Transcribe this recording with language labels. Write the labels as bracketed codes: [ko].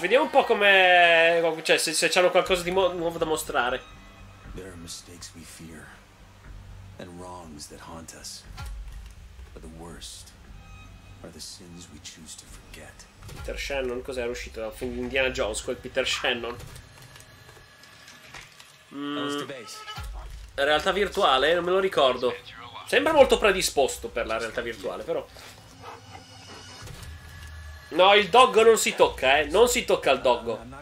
[it] Vediamo un po' come, cioè, se c'hanno qualcosa di nuovo da mostrare. [en] There are mistakes we fear and wrongs that haunt us. But the worst are the sins we choose to forget. [it] Peter Shannon, cos'era uscito dal film di Indiana Jones, quel Peter Shannon? Realtà virtuale? Non me lo ricordo. Sembra molto predisposto per la realtà virtuale, però. No, il doggo non si tocca, eh. Non si tocca il doggo.